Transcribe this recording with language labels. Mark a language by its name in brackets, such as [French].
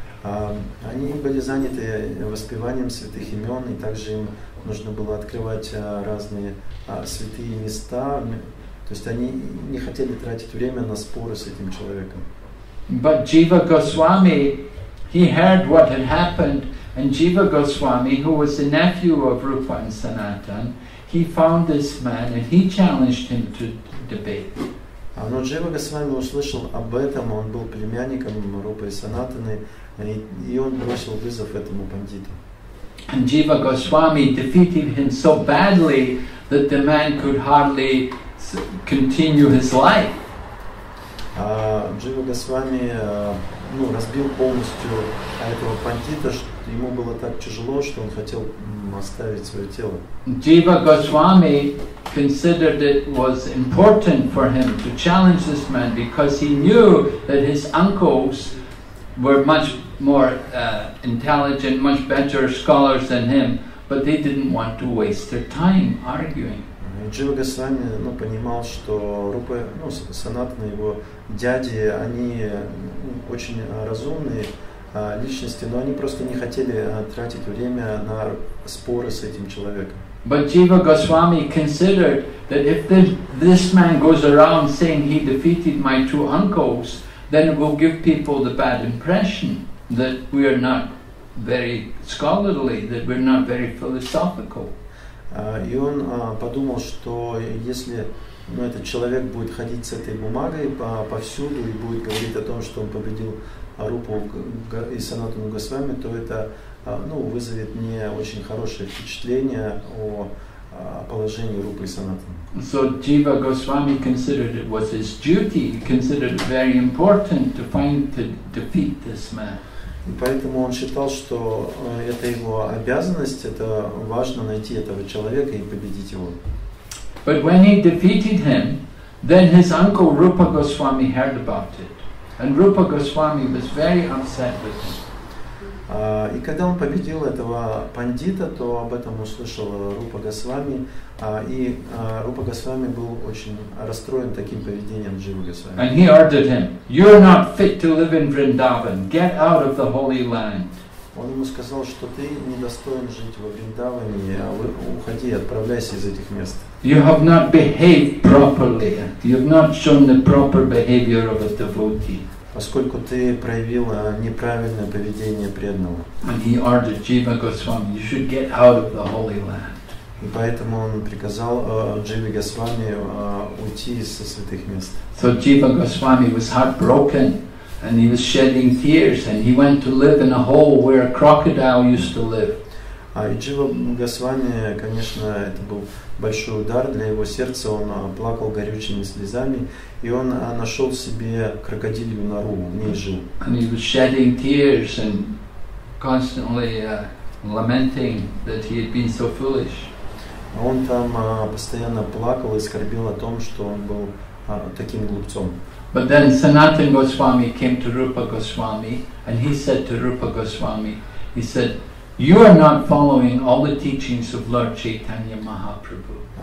[Russian] Они были заняты воспеванием святых имен, и также им нужно было открывать разные святые места. То есть они не хотели тратить время на споры с этим человеком. [English] But Jiva Goswami, he heard what had happened, and Jiva Goswami, who was the nephew of Rupa and Sanatan, he found this man and he challenged him to debate. [Russian] Но Джива Госвами услышал об этом, он был племянником Рупы и Санатаны, и он бросил вызов этому пандиту. [English] And Jiva Goswami defeated him so badly that the man could hardly continue his life. [Russian] Джива Госвами разбил полностью этого пандита, что ему было так тяжело, что он хотел оставить свое тело. [English] Jiva Goswami considered it was important for him to challenge this man because he knew that his uncles were much more intelligent, much better scholars than him, but they didn't want to waste their time arguing. [Russian] Джива Госвами понимал, что Рупа, Санатана, его дяди, они очень разумные личности, но они просто не хотели тратить время на споры с этим человеком. [English] But Jiva Goswami considered that if this man goes around saying he defeated my two uncles, then it will give people the bad impression that we are not very scholarly, that we're not very philosophical. [Russian] И он подумал, что если этот человек будет ходить с этой бумагой повсюду и будет говорить о том, что он победил Рупу и Санатану Госвами, то это ну, вызовет не очень хорошее впечатление о положении Рупы и Санатаны. [English] So Jiva Goswami considered it was his duty, considered it very important to find to defeat this man. [Russian] И поэтому он считал, что это его обязанность, это важно найти этого человека и победить его. [English] But when he defeated him, then his uncle Rupa Goswami heard about it. And Rupa Goswami was very upset with him. [Russian] И когда он победил этого пандита, то об этом услышал Рупа Госвами, и Рупа Госвами был очень расстроен таким поведением Дживы Госвами. [English] And he ordered him, "You're not fit to live in Vrindavan. Get out of the holy land." [Russian] Он ему сказал, что ты недостоин жить во Вриндаване, уходи, отправляйся из этих мест. [English] You have not behaved properly. You have not shown the proper behavior of a devotee. [Russian] Поскольку ты проявил неправильное поведение преданного. [English] And he ordered Jiva Goswami, you should get out of the holy land. [Russian] И поэтому он приказал Дживе Госвами уйти со святых мест. [English] So Jiva Goswami was heartbroken and he was shedding tears and he went to live in a hole where a crocodile used to live. [Russian] И Джива Госвами, конечно, это был большой удар для его сердца, он плакал горючими слезами, и он нашел себе крокодилью нору, в ней жил. [English] And he was shedding tears and constantly lamenting that he had been so foolish. [Russian] Он там постоянно плакал и скорбил о том, что он был таким глупцом. [English] But then Sanatan Goswami came to Rupa Goswami, and he said to Rupa Goswami, he said, "You are not following all the teachings of Lord Chaitanya Mahaprabhu."